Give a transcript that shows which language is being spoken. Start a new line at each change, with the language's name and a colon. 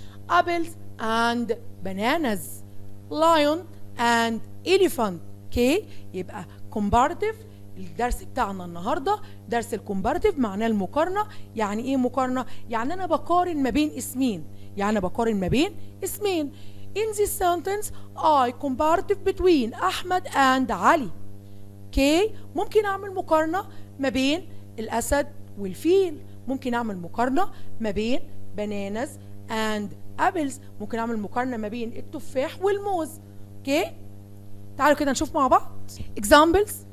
English: apples and bananas. lion and elephant.
Arabic: okay، يبقى comparative. الدرس بتاعنا النهاردة درس الكومباراتيف، معناه المقارنة. يعني ايه مقارنة؟ يعني انا بقارن ما بين اسمين، يعني بقارن ما بين اسمين.
English: in this sentence I comparative between أحمد and علي.
Arabic: okay، ممكن اعمل مقارنة ما بين الأسد والفيل، ممكن اعمل مقارنة ما بين
English: bananas and apples،
Arabic: ممكن اعمل مقارنة ما بين التفاح والموز. okay، تعالوا كده نشوف مع بعض examples.